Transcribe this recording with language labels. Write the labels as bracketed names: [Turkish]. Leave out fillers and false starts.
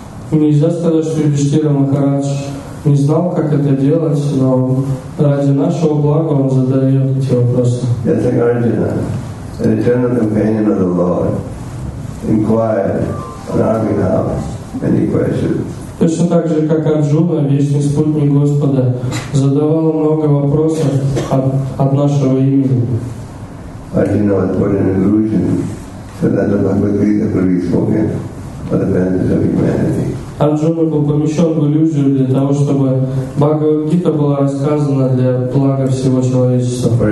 [Russian] Нельзя сказать, что Юдиштира Махарадж не знал, как это делать, но ради нашего блага он задает эти вопросы. [English] Yes, like Arjuna, an eternal companion of the Lord, inquired on our behalf many questions. [Russian] Точно так же, как Арджуна, вечный спутник Господа, задавал много вопросов от нашего имени. [English] Arjuna was put in illusion so that the Bhagavad Gita could be spoken for the benefit of humanity. [Russian] Арджуна был помещен в иллюзию для того, чтобы Бхагавад-гита была рассказана для блага всего человечества.